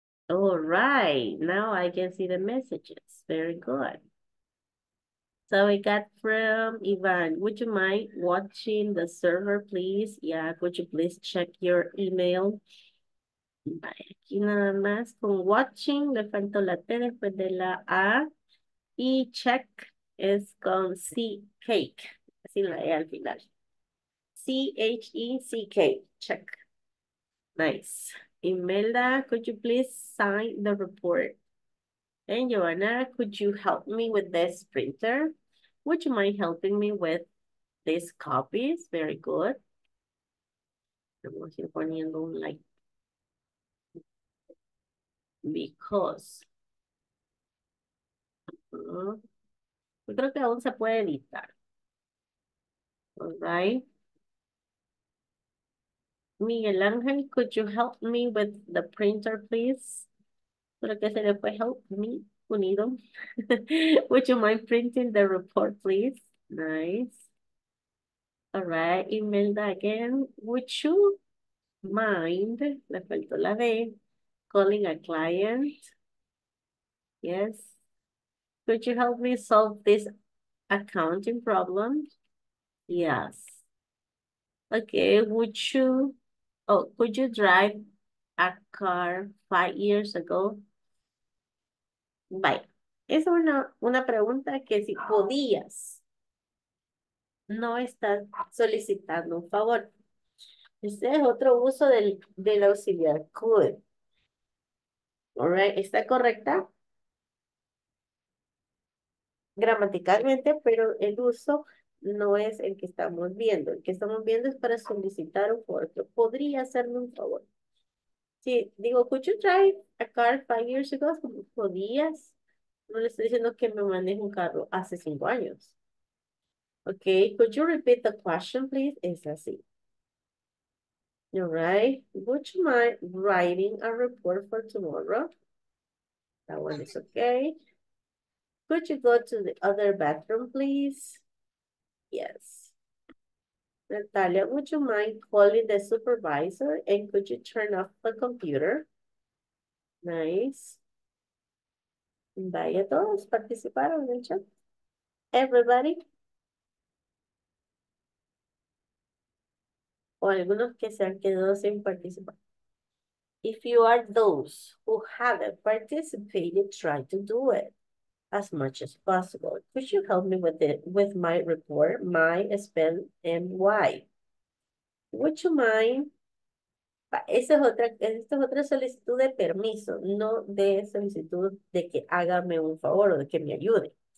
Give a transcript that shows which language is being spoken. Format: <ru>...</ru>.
<en>All right, now I can see the messages. Very good. So we got from Ivan, would you mind watching the server, please? Yeah, would you please check your email?</en> <es>Aquí nada más con watching, le faltó la T después de la A. Y check es con C, cake. Así la E al final.</es> <en>C-H-E-C-K, check. Nice. Imelda, could you please sign the report? And Joanna, could you help me with this printer? Would you mind helping me with these copies? Very good.</en> <es>Estamos aquí poniendo un like.</es> <en>Because.</en> <es>Yo creo que aún se puede editar.</es> <en>All right. Miguel Ángel, could you help me with the printer, please?</en> <es>Creo que se le puede</es> <en>help me</en> <es>unido.</es> <en>Would you mind printing the report, please? Nice. All right, Imelda again. Would you mind,</en> <es>le faltó la D,</es> <en>calling a client? Yes. Could you help me solve this accounting problem? Yes. Okay, would you... Oh, could you drive a car 5 years ago? Bye.</en> <es>Es una pregunta que si podías, no estás solicitando un favor. Este es otro uso del auxiliar could.</es> <en>All right,</en> <es>está correcta gramaticalmente, pero el uso no es el que estamos viendo. El que estamos viendo es para solicitar un favor. ¿Podría hacerme un favor? Sí, digo,</es> <en>could you drive a car 5 years ago?</en> <es>¿Podías? No le estoy diciendo que me maneje un carro hace 5 años.</es> <en>Ok, could you repeat the question, please?</en> <es>Es así.</es> <en>All right. Would you mind writing a report for tomorrow? That one is okay. Could you go to the other bathroom, please? Yes. Natalia, would you mind calling the supervisor and could you turn off the computer? Nice.</en> <es>Vaya todos, participaron en el chat.</es> <en>Everybody?</en> <es>O algunos que se han quedado sin participar.</es> <en>If you are those who haven't participated, try to do it as much as possible. Could you help me with my report, my spell and why? Would you mind?</en> <es>Esa es otra solicitud de permiso, no de solicitud de que hágame un favor o de que me ayude.</es>